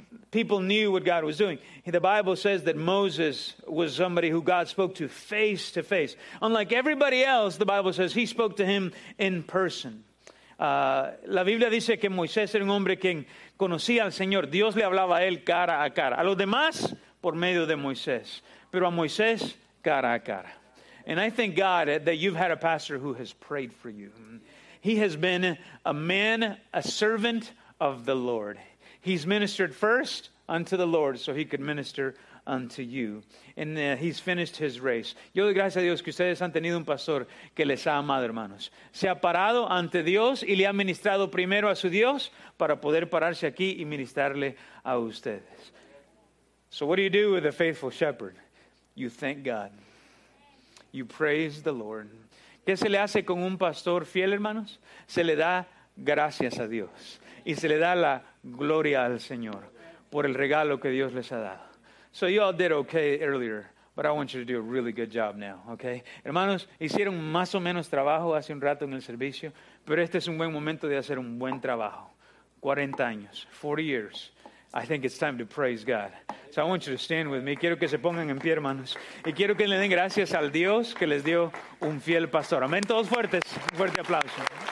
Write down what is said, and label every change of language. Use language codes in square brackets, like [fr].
[en] People knew what God was doing. The Bible says that Moses was somebody who God spoke to face. Unlike everybody else, the Bible says he spoke to him in person. [es] La Biblia dice que Moisés era un hombre quien conocía al Señor. Dios le hablaba a él cara a cara. A los demás, por medio de Moisés. Pero a Moisés, cara a cara. [en] And I thank God that you've had a pastor who has prayed for you. He has been a man, a servant of the Lord. He's ministered first unto the Lord so he could minister unto you. And he's finished his race. [es] Yo doy gracias a Dios que ustedes han tenido un pastor que les ha amado, hermanos. Se ha parado ante Dios y le ha ministrado primero a su Dios para poder pararse aquí y ministrarle a ustedes. [en] So what do you do with a faithful shepherd? You thank God. You praise the Lord. [es] ¿Qué se le hace con un pastor fiel, hermanos? Se le da gracias a Dios. Y se le da la gloria al Señor por el regalo que Dios les ha dado. [en] So you all did okay earlier, but I want you to do a really good job now, okay? [es] Hermanos, hicieron más o menos trabajo hace un rato en el servicio, pero este es un buen momento de hacer un buen trabajo. 40 años, [en] 40 years. I think it's time to praise God. So I want you to stand with me. [es] Quiero que se pongan en pie, hermanos. Y quiero que le den gracias al Dios que les dio un fiel pastor. Amén, todos fuertes. Un fuerte aplauso.